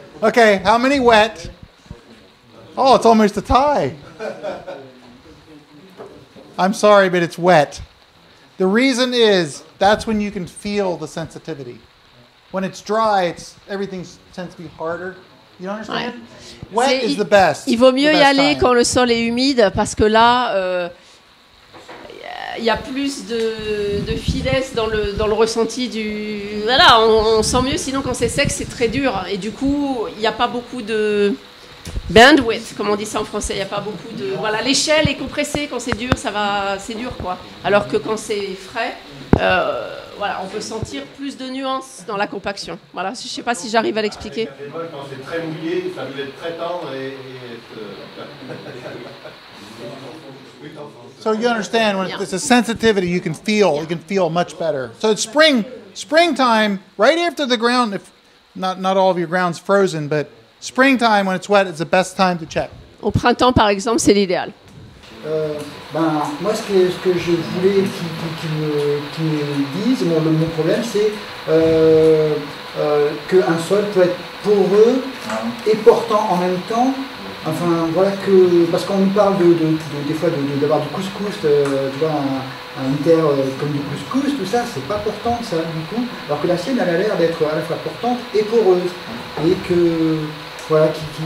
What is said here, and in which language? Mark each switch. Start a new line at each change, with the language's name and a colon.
English: Okay, how many wet? Oh, it's almost a tie. I'm sorry, but it's wet. The reason is, that's when you can feel the sensitivity. When it's dry, everything tends to be harder. You understand? Ouais. Wet is the best.
French: Il vaut mieux y aller quand le sol est humide, parce que là, il y a plus de finesse dans le ressenti du... Voilà, on sent mieux. Sinon, quand c'est sec, c'est très dur. Et du coup, il n'y a pas beaucoup de... Bandwidth, comme on dit ça en français. Il n'y a pas beaucoup de... Voilà, l'échelle est compressée. Quand c'est dur, ça va... C'est dur, quoi. Alors que quand c'est frais, voilà, on peut sentir plus de nuances dans la compaction. Voilà, je ne sais pas si j'arrive à l'expliquer. Quand c'est très mouillé, ça peut être très tendre et...
English: So you understand when it's a sensitivity, you can feel. Yeah. You can feel much better. So it's springtime, right after the ground. If not all of your ground's frozen, but springtime when it's wet is the best time to check.
French: Au printemps, par exemple, c'est l'idéal. Ben moi, ce que je voulais qu'ils me disent, mon problème, c'est que un sol peut être poreux et portant en même temps. Enfin, voilà que, parce qu'on nous parle des fois d'avoir du couscous, tu vois, un terre comme du couscous, tout ça, c'est pas portant ça, du coup, alors que la sienne, elle a l'air d'être à la fois portante et poreuse, et que, voilà, qui...